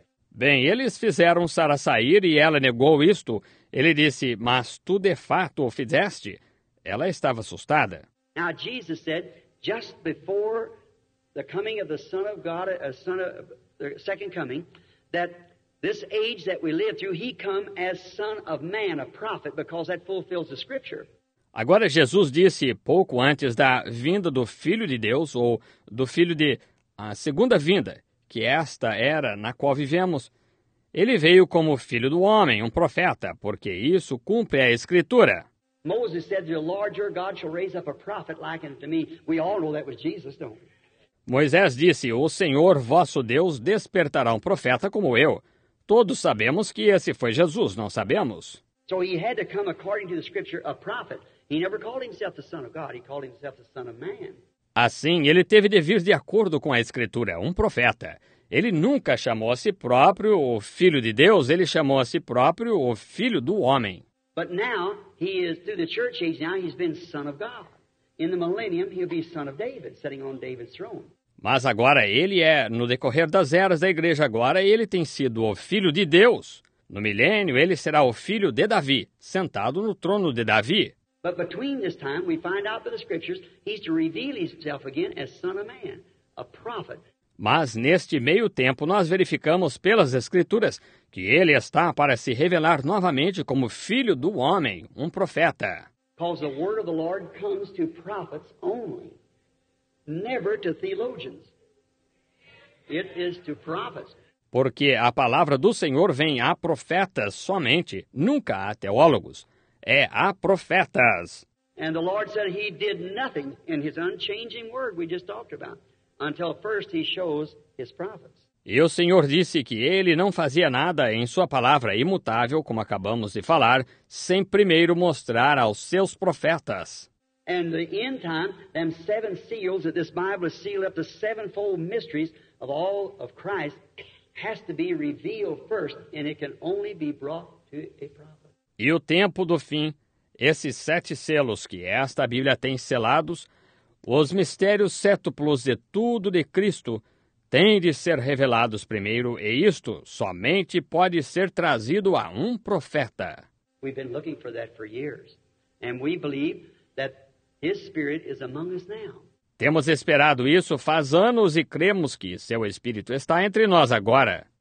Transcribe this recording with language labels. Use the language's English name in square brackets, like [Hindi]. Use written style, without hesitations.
[Portuguese] Bem, eles fizeram Sara sair e ela negou isto. Ele disse, mas tu de fato o fizeste? Ela estava assustada. [English] Now Jesus said, just before the coming of the Son of God, the second coming, that this age that we live through, he come as Son of Man, a prophet, because that fulfills the Scripture. [Portuguese] Agora Jesus disse, pouco antes da vinda do Filho de Deus, ou do Filho de a segunda vinda, que esta era na qual vivemos, ele veio como Filho do Homem, um profeta, porque isso cumpre a Escritura. [English] Moses said, "The Lord your God shall raise up a prophet like unto me." We all know that was Jesus, don't we? [Portuguese] Moisés disse, "O Senhor vosso Deus despertará um profeta como eu." Todos sabemos que esse foi Jesus, não sabemos? [English] So he had to come according to the Scripture, a prophet. He never called himself the Son of God. He called himself the Son of Man. [Portuguese] Assim, ele teve de vir de acordo com a Escritura, um profeta. Ele nunca chamou a si próprio o Filho de Deus. Ele chamou a si próprio o Filho do Homem. [English] But now he is through the church age. Now he's been Son of God. In the millennium, he'll be Son of David, sitting on David's throne. [Portuguese] Mas agora ele é no decorrer das eras da Igreja. Agora ele tem sido o Filho de Deus. No milênio, ele será o Filho de Davi, sentado no trono de Davi. [English] But between this time, we find out by the Scriptures, he's to reveal himself again as Son of Man, a prophet. [Portuguese] Mas neste meio tempo, nós verificamos pelas Escrituras que ele está para se revelar novamente como Filho do Homem, um profeta. [English] Because the word of the Lord comes to prophets only, never to theologians. It is to prophets. [Portuguese] Porque a palavra do Senhor vem a profetas somente, nunca a teólogos. É a profetas. [English] And the Lord said he did nothing in his unchanging word we just talked about. Until first he shows his prophets. [Portuguese] E o Senhor disse que ele não fazia nada em sua palavra imutável, como acabamos de falar, sem primeiro mostrar aos seus profetas. [English] And the end time, them seven seals that this Bible is sealed up, the sevenfold mysteries of all of Christ, has to be revealed first, and it can only be brought to a prophet. [Portuguese] E o tempo do fim, esses sete selos que esta Bíblia tem selados, os mistérios sétuplos de tudo de Cristo têm de ser revelados primeiro, e isto somente pode ser trazido a um profeta. [English] We've been looking for that for years, and we believe that his spirit is among us now. [Portuguese] Temos esperado isso faz anos e cremos que seu espírito está entre nós agora.